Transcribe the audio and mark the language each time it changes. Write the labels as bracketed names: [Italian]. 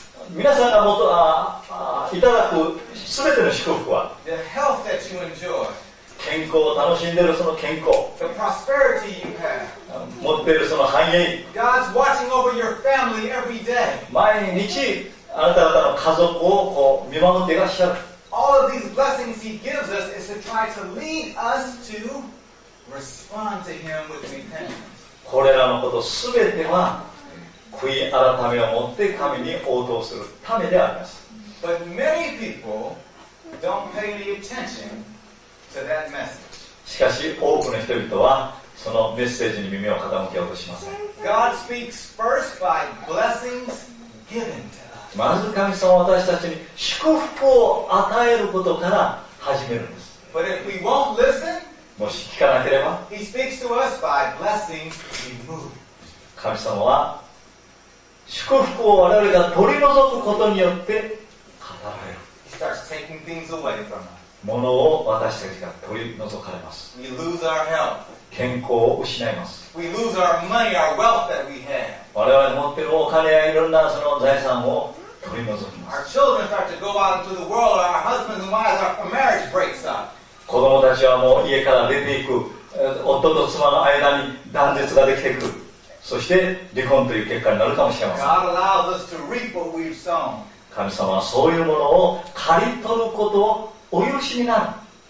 [Japanese] 皆さんがもといただく全ての祝福は健康を楽しんでいるその健康、 [English] the prosperity you have. [Japanese] 持っているその繁栄、 [English] God's watching over your family every day. [Japanese] 毎日あなた方の家族をこう見守っていらっしゃる。 [English] All of these blessings he gives us is to try to lead us to respond to him with repentance. [Japanese] これらのこと全ては悔い改めを持って神に応答するためであります。 [English] But many people don't pay any attention to that message. [Japanese] しかし多くの人々はそのメッセージに耳を傾けようとしません。 [English] God speaks first by blessings given to us. [Japanese] まず神様は私たちに祝福を与えることから始めるんです。 [English] But if we won't listen, [Japanese] もし聞かなければ、 [English] He speaks to us by blessings removed. [Japanese] 神様は祝福を我々が取り除くことによって語られる。 [English] He starts taking things away from us. [Japanese] 物を私たちが取り除かれます。 [English] We lose our health. [Japanese] 健康を失います。 [English] We lose our money, our wealth that we have. [Japanese] 我々持っているお金やいろんなその財産を取り除きます。 [English] Our children start to go out into the world. Our husbands and wives, our marriage breaks up. [Japanese] 子供たちはもう家から出ていく。夫と妻の間に断絶ができてくる。そして離婚という結果になるかもしれません。 [English] God allows us to reap what we've sown. [Japanese] 神様はそういうものを刈り取ることをお許しになる。